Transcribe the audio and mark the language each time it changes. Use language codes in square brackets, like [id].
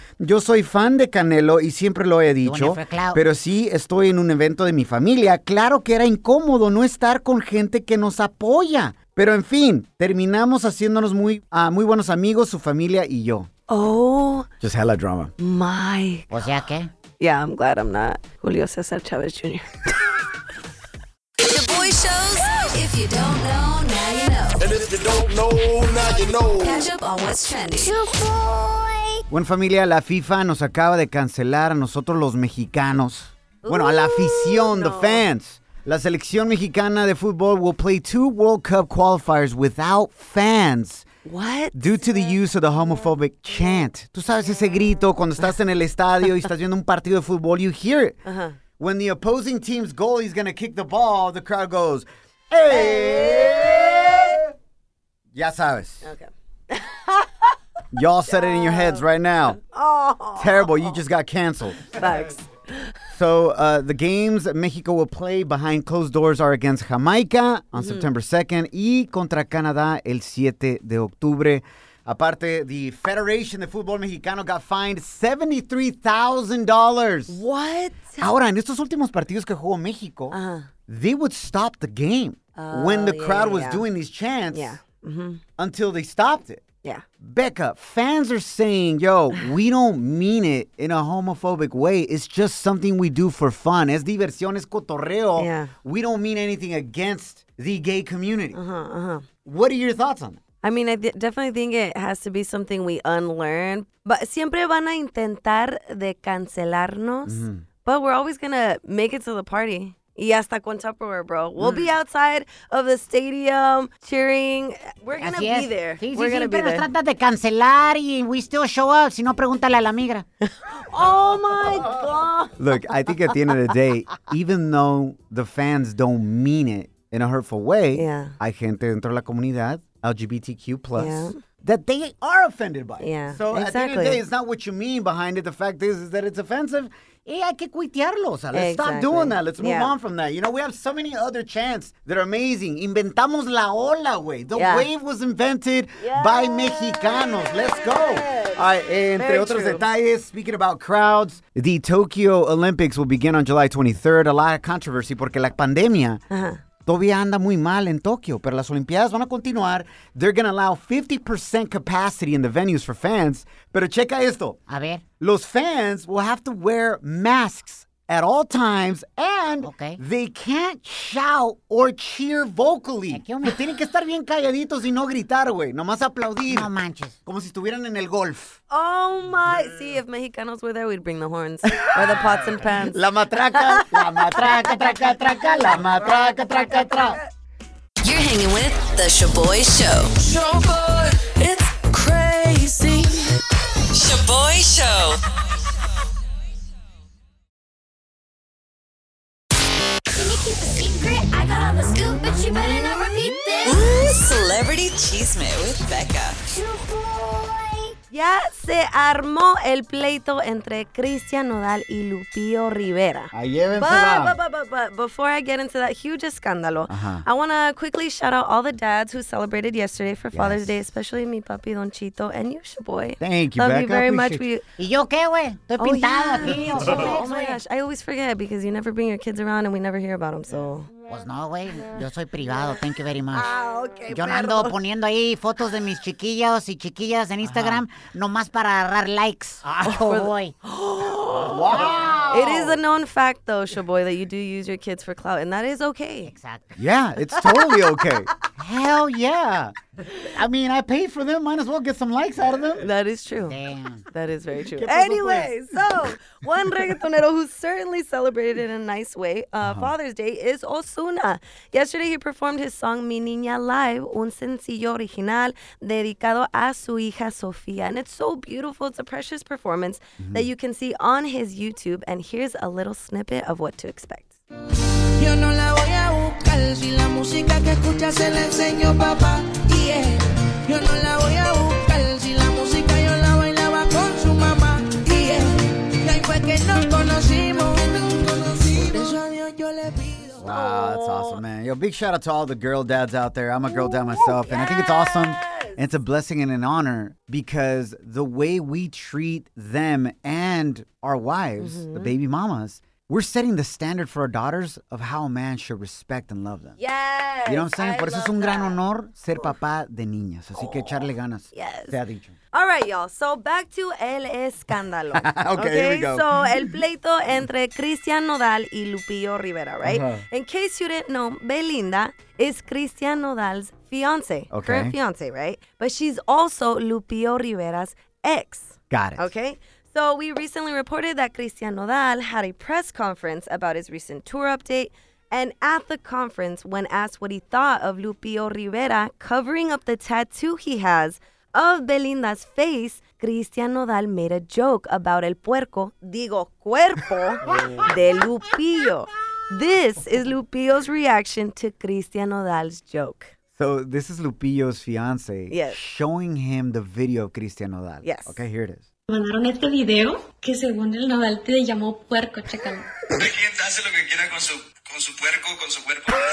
[es] Yo soy fan de Canelo y siempre lo he dicho, pero sí estoy en un evento de mi familia. Claro que era incómodo no estar con gente que nos apoya. Pero en fin, terminamos haciéndonos muy, muy buenos amigos, su familia y yo. Oh. [en] Just hella drama. My. [es] O sea, ¿qué? [en] Yeah, I'm glad I'm not Julio César Chávez Jr. The boy shows, if you don't know, now you know. And if you don't know, now you know. Catch up on what's trending. You boy. [es] Bueno, familia, la FIFA nos acaba de cancelar a nosotros los mexicanos. Bueno, a la afición, [en] the fans. [es] La selección mexicana de fútbol [en] will play 2 World Cup qualifiers without fans. What? Due to the use of the homophobic chant. [es] Tú sabes ese grito cuando estás en el estadio y estás viendo un partido de fútbol, [en] you hear it. Uh-huh. When the opposing team's goalie is going to kick the ball, the crowd goes, ¡Hey! [es] Ya sabes. [en] Okay. Y'all said it in your heads right now. Oh. Terrible, you just got canceled. Facts. So the games Mexico will play behind closed doors are against Jamaica on September 2nd [es] y contra Canadá el 7 de octubre. Aparte, [en] the Federation de Fútbol Mexicano got fined $73,000. What? [es] Ahora, en estos últimos partidos que jugó México, [en] they would stop the game when the crowd was doing these chants until they stopped it. Yeah. Becca, fans are saying, yo, we don't mean it in a homophobic way. It's just something we do for fun. [es] Es diversión, es cotorreo. [en] Yeah. We don't mean anything against the gay community. Uh-huh, uh-huh. What are your thoughts on that? I mean, I definitely think it has to be something we unlearn. But [es] siempre van a intentar de cancelarnos. Mm-hmm. [en] But we're always going to make it to the party. [es] Y hasta con Tupperware, bro. [en] We'll be outside of the stadium cheering. We're going to be there. [es] Sí, [en] we're going to be there. [es] Pero tratas de cancelar [en] y we still show up. [es] Si no, pregúntale a la migra. [en] Oh, my God. Look, I think at the end of the day, even though the fans don't mean it in a hurtful way, [es] hay gente dentro de la comunidad, [en] LGBTQ+, that they are offended by it. Yeah, so exactly. At the end of the day, it's not what you mean behind it. The fact is that it's offensive. Hey, [es] hay que cuitearlo, o sea, [en] let's stop doing that. Let's move on from that. You know, we have so many other chants that are amazing. [es] Inventamos la ola, güey. [en] The wave was invented by Mexicanos. Let's go. All right, [es] entre otros detalles, [en] speaking about crowds, the Tokyo Olympics will begin on July 23rd. A lot of controversy [es] porque la pandemia todavía anda muy mal en Tokio, pero las Olimpiadas van a continuar. [en] They're going to allow 50% capacity in the venues for fans. [es] Pero checa esto. A ver. Los [en] fans will have to wear masks at all times, and okay, they can't shout or cheer vocally. [es] Me tienen que estar bien calladitos y no gritar, güey. Nomás aplaudir. No manches. Como si estuvieran en el golf. [en] Oh, my. Yeah. See, if Mexicanos were there, we'd bring the horns or the pots and pans. [es] La matraca, la matraca, traca, traca, la matraca, traca, traca. [en] You're hanging with the Sha'Boy Show. Sha'Boy, it's crazy. Sha'Boy Show. Celebrity Chisme with Becca. [es] Ya se armó el pleito entre Cristian Nodal y Lupillo Rivera. [en] But before I get into that huge escándalo, uh-huh, I want to quickly shout out all the dads who celebrated yesterday for Father's Day, especially [es] mi papi [en] Don Chito and you, Sha'Boy. Thank you, love Becca. You very much. [es] ¿Y yo qué, güey? Estoy pintada. [en] Oh, yeah. Oh, my gosh. I always forget because you never bring your kids around and we never hear about them, so... [es] Pues no, güey, yo soy privado, [en] thank you very much. Ah, okay, [es] yo ando poniendo ahí fotos de mis chiquillos y chiquillas en Instagram, nomás para agarrar likes, Sha'Boy. [en] Oh, wow. It is a known fact, though, Sha'Boy, that you do use your kids for clout, and that is okay. Exactly. Yeah, it's totally okay. Hell yeah. I mean, I paid for them, might as well get some likes out of them. That is true. Damn. That is very true. Anyway, so, one reggaetonero who certainly celebrated in a nice way Father's Day is Ozuna. Yesterday, he performed his song Mi Niña Live, [es] un sencillo original dedicado a su hija Sofía. [en] And it's so beautiful. It's a precious performance that you can see on his YouTube. And here's a little snippet of what to expect. [es] Yo no la voy a buscar, si la música que escucha se la enseño papá, [en] yeah. [es] Yo no la voy a buscar, si la música yo la bailaba con su mamá, [en] yeah. [es] Y ahí fue que nos conocimos, por eso a Dios yo le pido. [en] Wow, that's awesome, man. Yo, big shout out to all the girl dads out there. I'm a girl dad myself, and I think it's awesome. And it's a blessing and an honor because the way we treat them and our wives, the baby mamas, we're setting the standard for our daughters of how a man should respect and love them. Yes. You know what I'm saying? [es] Por eso es un gran honor ser papá de niñas. Así que echarle ganas. [en] Yes. [es] Te ha dicho. [en] All right, y'all. So back to El Escándalo. Okay, here we go. So [es] el pleito entre [en] Cristian Nodal y Lupillo Rivera, right? Uh-huh. In case you didn't know, Belinda is Cristian Nodal's fiance. Okay. Current fiance, right? But she's also Lupillo Rivera's ex. Got it. Okay. So we recently reported that Cristian Nodal had a press conference about his recent tour update. And at the conference, when asked what he thought of Lupillo Rivera covering up the tattoo he has of Belinda's face, Cristian Nodal made a joke about [es] el puerco, digo cuerpo, de [en] Lupillo. This is Lupillo's reaction to Cristian Nodal's joke. So this is Lupillo's fiance showing him the video of Cristian Nodal. Yes. Okay, here it is. [es] Mandaron este video que según el Nodal te llamó puerco, chécalo. Hay quien hace lo que quiera con su puerco, con su cuerpo.